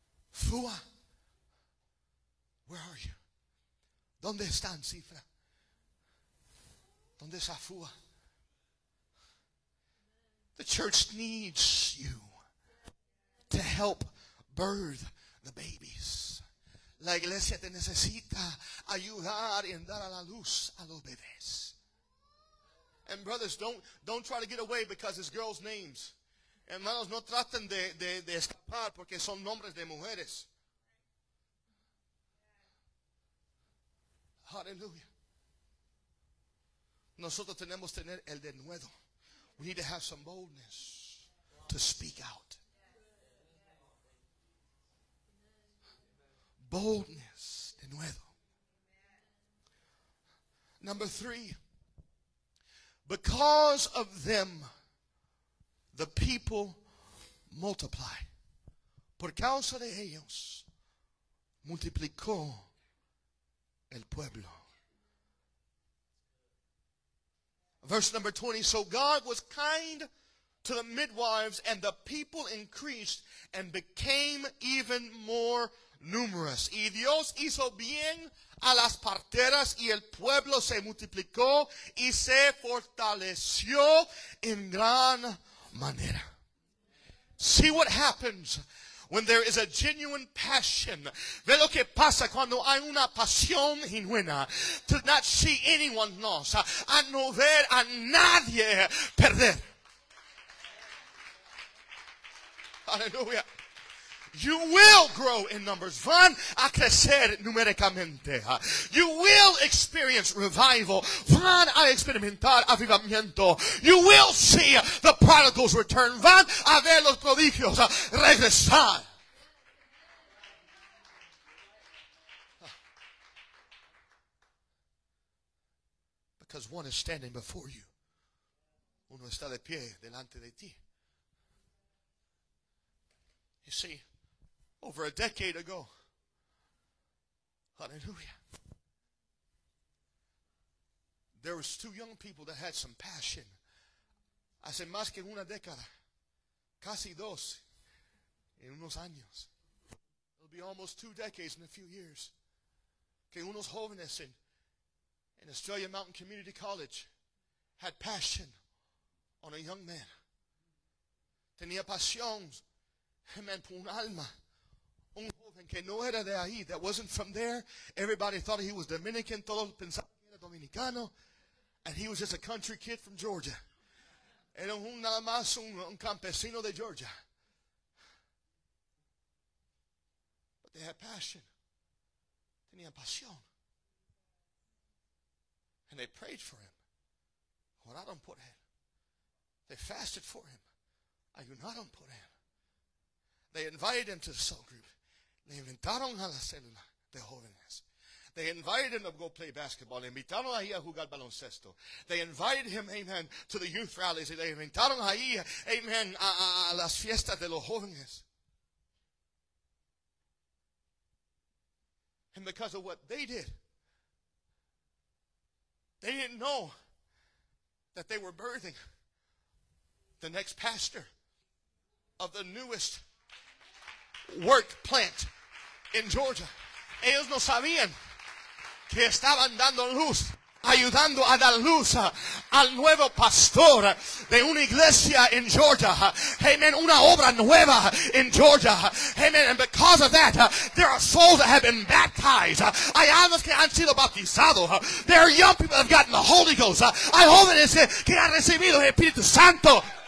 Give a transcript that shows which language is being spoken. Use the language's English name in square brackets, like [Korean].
[Spanish] Fua. [English] Where are you? [Spanish] ¿Dónde están, Cifra? ¿Dónde está Fua? [English] The church needs you to help birth the babies. [Spanish] La iglesia te necesita ayudar y dar a la luz a los bebés. [English] And brothers, don't try to get away because it's girls' names. [Spanish] Hermanos, no traten de escapar porque son nombres de mujeres. [English] Hallelujah. [Spanish] Nosotros tenemos tener el denuedo. [English] We need to have some boldness to speak out. Boldness, denuedo. Number three. Because of them, the people multiply. [Spanish] Por causa de ellos, multiplicó el pueblo. [English] Verse number 20. So God was kind to the midwives, and the people increased and became even more numerous. [Spanish] Y Dios hizo bien a las parteras, y el pueblo se multiplicó y se fortaleció en gran manera. [English] See what happens when there is a genuine passion. [Spanish] Ve lo que pasa cuando hay una pasión genuina. [English] To not see anyone lost. [Spanish] A no ver a nadie perder. [English] Hallelujah. You will grow in numbers. [Spanish] Van a crecer numéricamente. [English] You will experience revival. [Spanish] Van a experimentar avivamiento. [English] You will see the prodigals return. [Spanish] Van a ver los prodigios regresar. [English] Because one is standing before you. [Spanish] Uno está de pie delante de ti. [English] You see, over a decade ago, hallelujah, there was two young people that had some passion. [Spanish] Hace más que una década, casi dos, en unos años. [English] It'll be almost two decades in a few years. [Spanish] Que unos jóvenes [English] in Australia Mountain Community College had passion on a young man. [Spanish] Tenía pasión, amen, por un alma. Un joven que no era de ahí, [English] that wasn't from there. Everybody thought he was Dominican. [Spanish] Todos pensaban que era dominicano. [English] And he was just a country kid from Georgia. [Spanish] Era un nada más un campesino de Georgia. [English] But they had passion. [Spanish] Tenían pasión. [English] And they prayed for him. [Spanish] Oraron por él. [English] They fasted for him. [Spanish] Ayunaron por él. [English] They invited him to the cell group. [Spanish] Le invitaron a la célula de jóvenes. [English] They invited him to go play basketball. [Spanish] Le invitaron ahí a jugar baloncesto. [English] They invited him, amen, to the youth rallies. [Spanish] Le invitaron ahí, amen, a las fiestas de los jóvenes. [English] And because of what they did, they didn't know that they were birthing the next pastor of the newest work plant in Georgia. [Spanish] Ellos no sabían que estaban dando luz, ayudando a dar luz al nuevo pastor de una iglesia en Georgia. Amen. Una obra nueva en Georgia. Amen. [English] And because of that, there are souls that have been baptized. [Spanish] Hay almas que han sido bautizados. [English] There are young people that have gotten the Holy Ghost. [Spanish] Hay jóvenes que han recibido el Espíritu Santo.